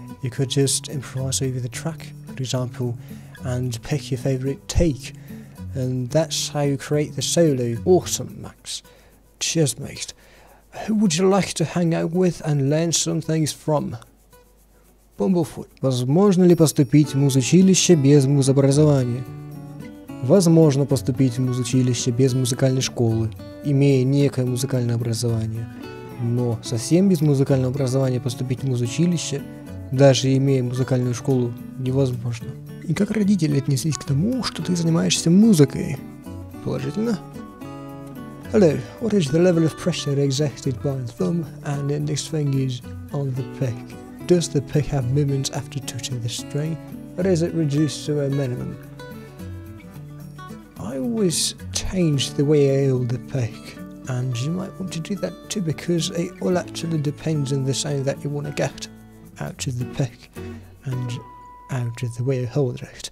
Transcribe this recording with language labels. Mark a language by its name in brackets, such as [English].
[English] You could just improvise over the track, for example, and pick your favourite take, and that's how you create the solo. Awesome, Max. Cheers, mate. Who would you like to hang out with and learn some things from? Bumblefoot. [Russian] Возможно ли поступить в музучилище без музобразования? Возможно поступить в музучилище без музыкальной школы, имея некое музыкальное образование. Но совсем без музыкального образования поступить в музучилище, даже имея музыкальную школу, невозможно. И как родители отнеслись к тому, что ты занимаешься музыкой? Положительно. [English] Hello, what is the level of pressure exerted by the thumb and index fingers on the pick? Does the pick have movements after touching the string, or is it reduced to a minimum? I always change the way I hold the pick, and you might want to do that too, because it all actually depends on the sound that you want to get out of the pick and out of the way you hold it.